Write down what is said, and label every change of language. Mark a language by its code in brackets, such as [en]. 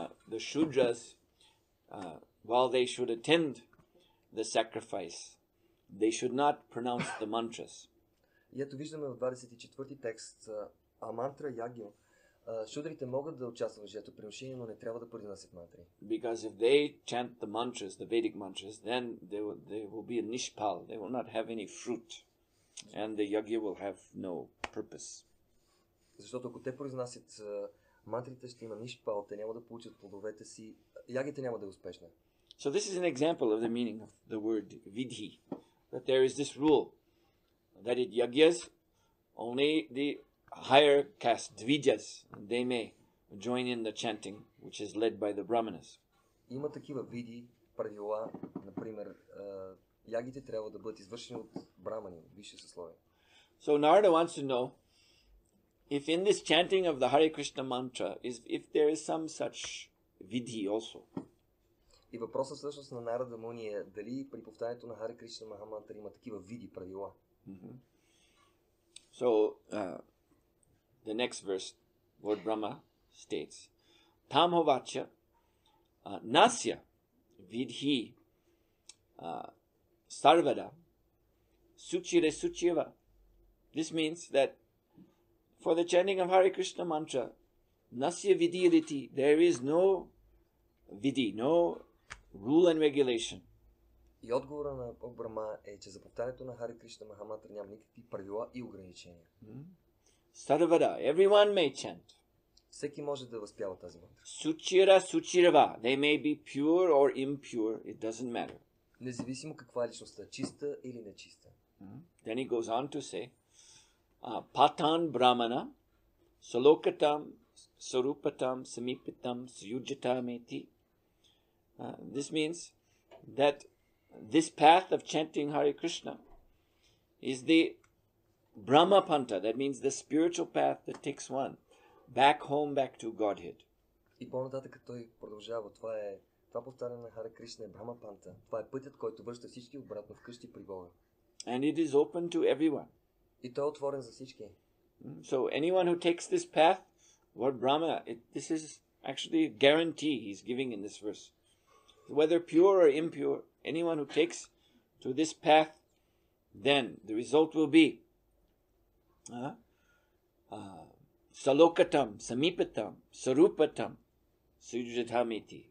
[en] The shudras, while they should attend the sacrifice, they should not pronounce the mantras. [bg] И ето виждаме в 24-ти текст, а мантра ягьо, шудрите могат да участват в жертвоприношение, но не трябва да произнасят мантри. [en] Because if they chant the mantras, the Vedic mantras, then they will be a nishpal. They will not have any fruit. And the yagya will have no purpose. [bg] Защото ако те произнасят мантрите, ще има нишпал, те няма да получат плодовете си, ягите няма да е успешна. [en] So this is an example of the meaning of the word vidhi. That there is this rule that it yagyas, only the higher caste, dvijas, they may join in the chanting, which is led by the brahmanas. [bg] Има такива види, правила, например, ягите трябва да бъдат извършени от брамани, висше съсловие. [en] So Narada wants to know, if in this chanting of the Hare Krishna mantra, is if there is some such vidhi also. [bg] И въпросът всъщност на Нарада Муни е дали при повтарянето на Хари Кришна Махамантра има такива види правила. [en] So, the next verse, Lord Brahma states, [sa] Tamhovacha nasya vidhi sarvada suchire suchiva. [en] This means that for the chanting of Hare Krishna mantra, nasya vidhiriti, there is no vidhi, no rule and regulation. [bg] И отговора на Бог Брама е, че за повтарянето на Хари Кришна Махамантра няма никакви правила и ограничения. [en] Sarvada, everyone may chant. [bg] Всеки може да възпява тази мантра. [en] Suchira, suchirva, they may be pure or impure, it doesn't matter. [bg] Независимо каква е личността, чиста или нечиста. [en] Then he goes on to say, [sa] Patan Brahmana, Salokatam, Sarupatam, Samipitam, Suyujatameti. [en] This means that this path of chanting Hare Krishna is the Brahma Panta, that means the spiritual path that takes one back home, back to Godhead. [bg] И по-нататък той продължава, това повтаряне на Хари Кришна е Брахма Панта. Това е пътят, който връща всички обратно вкъщи при Бога. [en] And it is open to everyone. [bg] И той е отворен за всички. [en] So anyone who takes this path, Lord Brahma, this is actually a guarantee he's giving in this verse. Whether pure or impure, anyone who takes to this path, then the result will be salokatam, samipatam, sarupatam, sujudhamiti.